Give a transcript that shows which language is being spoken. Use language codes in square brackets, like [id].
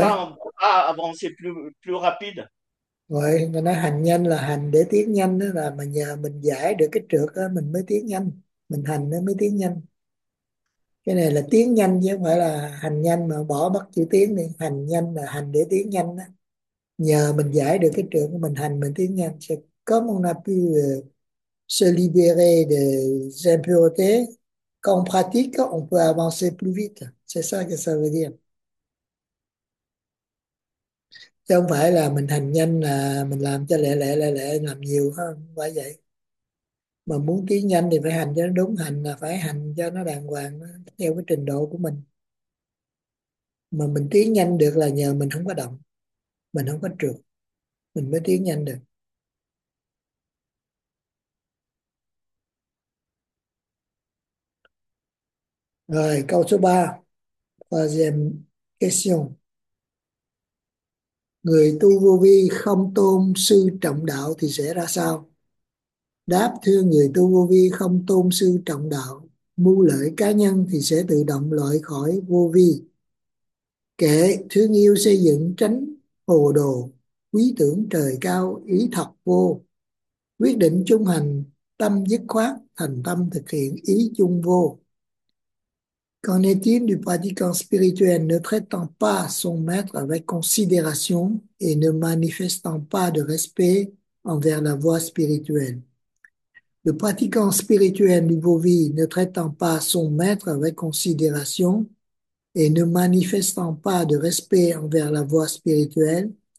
[fr] ça qu'on ne peut pas avancer plus rapide. [vi] Vậy mà nói hành nhanh là hành để tiến nhanh đó, là mà nhờ mình giải được cái trượt đó, mình mới tiến nhanh, mình hành nó mới tiến nhanh. Cái này là tiến nhanh chứ không phải là hành nhanh, mà bỏ mất chữ tiến đi. Hành nhanh là hành để tiến nhanh đó. Nhờ mình giải được cái trượt của mình, hành mình tiến nhanh. [fr] C'est comme on a pu se libérer des impuretés, qu'en pratique on peut avancer plus vite. C'est ça que ça veut dire. [vi] Chứ không phải là mình hành nhanh là mình làm cho lẹ lẹ lẹ lẹ làm nhiều hơn, không phải vậy. Mà muốn tiến nhanh thì phải hành cho nó đúng, hành là phải hành cho nó đàng hoàng theo cái trình độ của mình. Mà mình tiến nhanh được là nhờ mình không có động, mình không có trượt, mình mới tiến nhanh được. Rồi câu số 3, [fr] troisième question. [vi] Người tu vô vi không tôn sư trọng đạo thì sẽ ra sao? Đáp: thưa người tu vô vi không tôn sư trọng đạo, mưu lợi cá nhân thì sẽ tự động loại khỏi vô vi. Kệ: thương yêu xây dựng tránh hồ đồ, quý tưởng trời cao ý thật vô. Quyết định chung hành tâm dứt khoát, thành tâm thực hiện ý chung vô. [fr] Qu'en est-il du pratiquant spirituel ne traitant pas son maître avec considération et ne manifestant pas de respect envers la voie spirituelle? Le pratiquant spirituel du Vovi ne traitant pas son maître avec considération et ne manifestant pas de respect envers la voie spirituelle,